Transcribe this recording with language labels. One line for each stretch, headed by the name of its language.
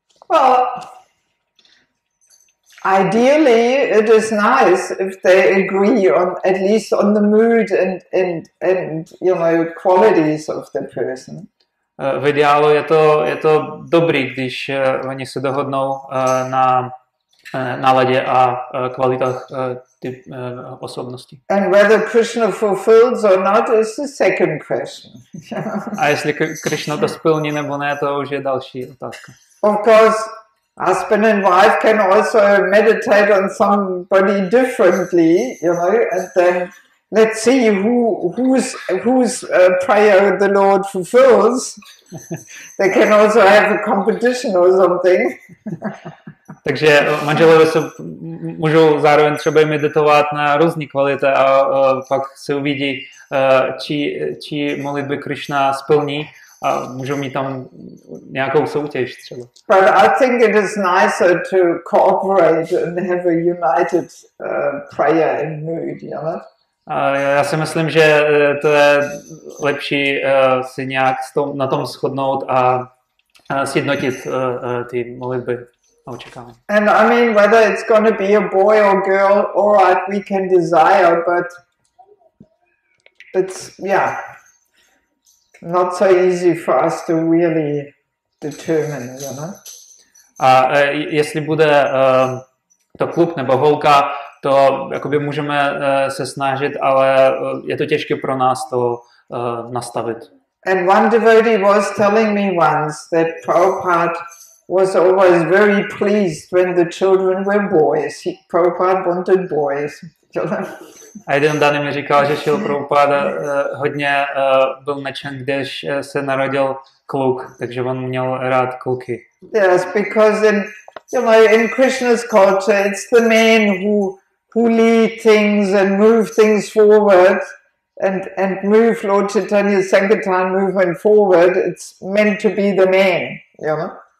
English: Well, ideally, it is nice if they agree on at least on the mood and you know qualities of the person.
Czech: V ideálu je to dobrý, když oni se dohodnou na náladě a kvalitách osobnosti.
English: And whether Krishna fulfills or not is the second question.
Czech: A jestli Krishna to splní nebo ne, to už je další otázka.
English: Of course, husband and wife can also meditate on somebody differently, you know, and then let's see whose prayer the Lord fulfills. They can also have a competition or something.
Czech: Takže manželové se můžou zároveň třeba meditovat na různé kvality a pak se uvidí, či modlitby Krishna splní a můžou mít tam nějakou soutěž třeba.
English: But I think it is nicer to cooperate and have a united prayer and mood, you know?
Czech: Já si myslím, že to je lepší si nějak na tom shodnout a sjednotit ty modlitby.
English: And I mean, whether it's going to be a boy or girl, all right, we can desire, but it's, yeah, not so easy for us to really determine, you know?
Czech: A jestli bude to kluk nebo holka, to jakoby můžeme se snažit, ale je to těžké pro nás to nastavit.
English: And one devotee was telling me once that Prabhupada was always very pleased when the children were boys. He Prabhupada wanted boys.
Czech: A jeden dan mi říkal, že Šíla Prabhupáda hodně byl nadšen, když se narodil kluk, takže on měl rád kluky.
English: Yes, because in, you know, in Krishna's culture, it's the men who lead things and move things forward and move Lord Chaitanya's Sankirtan movement forward. It's meant to be the men, you know?